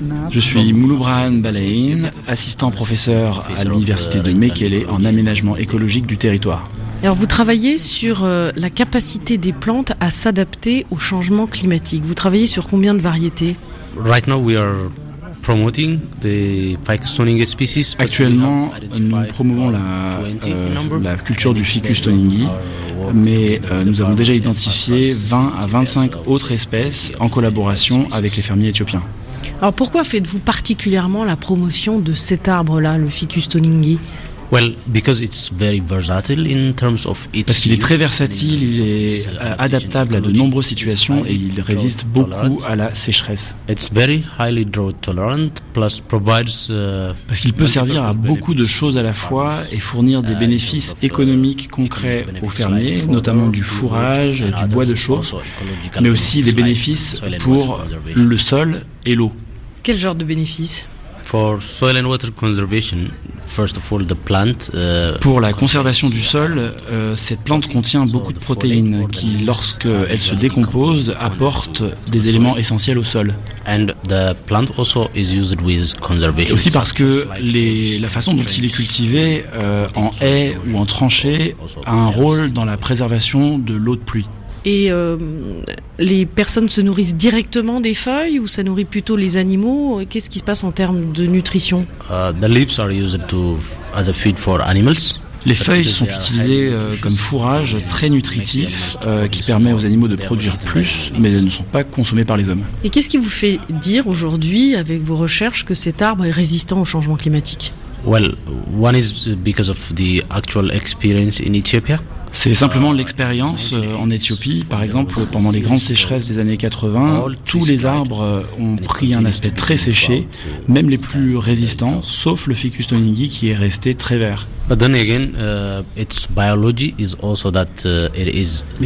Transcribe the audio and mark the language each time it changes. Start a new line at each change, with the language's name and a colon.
French: Je suis Mouloubrahan Balein, assistant professeur à l'université de Mekele en aménagement écologique du territoire. Alors, vous travaillez sur la capacité des plantes à s'adapter au changement climatique. Vous travaillez sur combien de variétés ?
English: Right now we are promoting the ficus stoninge species.
French: Actuellement, nous promouvons la culture du ficus stoningi, mais nous avons déjà identifié 20 à 25 autres espèces en collaboration avec les fermiers éthiopiens. Alors, pourquoi faites-vous particulièrement la promotion de cet arbre-là, le ficus stoningi ?
English: Well, because it's very versatile in terms of its.
French: Parce qu'il est très versatile, il est adaptable à de nombreuses situations et il résiste beaucoup à la sécheresse.
English: It's very highly drought tolerant, plus provides.
French: Parce qu'il peut servir à beaucoup de choses à la fois et fournir des bénéfices économiques concrets aux fermiers, notamment du fourrage, du bois de chauffe, mais aussi des bénéfices pour le sol et l'eau. Quel genre de bénéfices ?
English: For soil and water conservation, first of all, the plant.
French: Pour la conservation du sol, cette plante contient beaucoup de protéines qui, lorsque elle se décompose, apporte des éléments essentiels au sol.
English: And the plant also is used with conservation.
French: Et aussi parce que la façon dont il est cultivé en haie ou en tranchée a un rôle dans la préservation de l'eau de pluie. Et les personnes se nourrissent directement des feuilles ou ça nourrit plutôt les animaux ? Qu'est-ce qui se passe en termes de nutrition ?
English: The leaves are used as a feed for animals.
French: Les feuilles sont utilisées comme fourrage très nutritif qui permet aux animaux de produire plus, mais elles ne sont pas consommées par les hommes. Et qu'est-ce qui vous fait dire aujourd'hui, avec vos recherches, que cet arbre est résistant au changement climatique ?
English: Well, one is because of the actual experience in Ethiopia.
French: C'est simplement l'expérience en Éthiopie. Par exemple, pendant les grandes sécheresses des années 80, tous les arbres ont pris un aspect très séché, même les plus résistants, sauf le ficus stoningi qui est resté très vert. Mais